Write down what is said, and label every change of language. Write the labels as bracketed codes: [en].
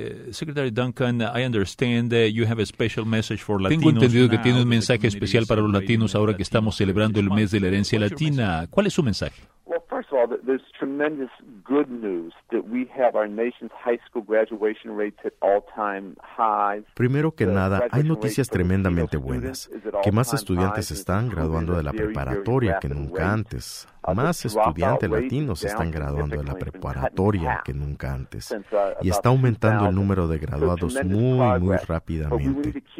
[en] Secretary Duncan, I understand that you have a special message for Latinos. [es] Tengo entendido que tiene un mensaje especial para los latinos ahora que estamos celebrando el mes de la herencia latina. ¿Cuál es su mensaje? [en] First of all, there's tremendous good news that we have our nation's high school graduation rates at all-time highs. [es] Primero que nada, hay noticias tremendamente buenas, que más estudiantes están graduando de la preparatoria que nunca antes. Más estudiantes latinos están graduando de la preparatoria que nunca antes. Y está aumentando el número de graduados muy, muy rápidamente.